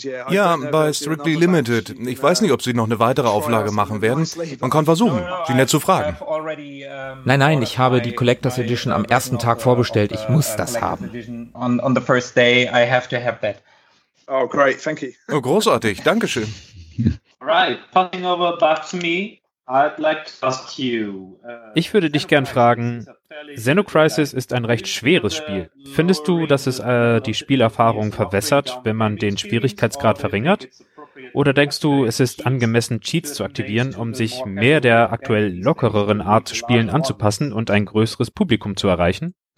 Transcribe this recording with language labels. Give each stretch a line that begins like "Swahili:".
German: Ja, bei Strictly Limited. Ich weiß nicht, ob sie noch eine weitere Auflage machen werden. Man kann versuchen, sie nett zu fragen. Nein, nein, ich habe die Collector's Edition am ersten Tag vorbestellt. Ich muss das haben.
English: On the first day, I have to have that. Oh, great, thank you.
German: Oh, großartig, dankeschön.
English: All right, passing over back to me. I'd like to ask you.
German: Ich würde dich gern fragen, Xenocrisis ist ein recht schweres Spiel. Findest du, dass es die Spielerfahrung verwässert, wenn man den Schwierigkeitsgrad verringert? Oder denkst du, es ist angemessen, Cheats zu aktivieren, um sich mehr der aktuell lockereren Art zu spielen anzupassen und ein größeres Publikum zu erreichen?